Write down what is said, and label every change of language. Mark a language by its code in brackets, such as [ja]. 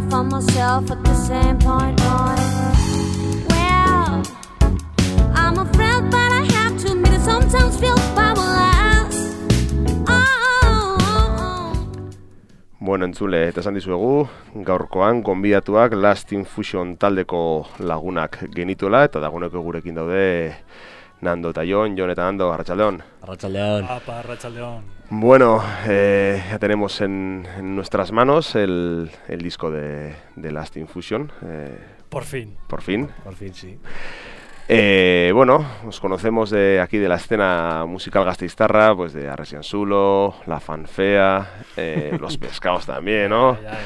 [en] myself at the same point on. Well, I'm a friend, but I have to admit it sometimes feel powerless. Oh. [eu] Bueno, entzule, eta esan dizuegu, gaurkoan gonbidatuak Last Infusion taldeko lagunak genituela, eta dagoeneko gurekin daude Nando eta Jon eta Nando, arratsaldeon. Arratsaldeon. Apa, arratsaldeon. [es] Bueno, ya tenemos en nuestras manos el disco de Last Infusion. Por fin. Por fin. Por fin, sí. Bueno, os conocemos de aquí de la escena musical gasteiztarra, pues de Arresian Zulo, La Fanfea, Los Pescados también, ¿no?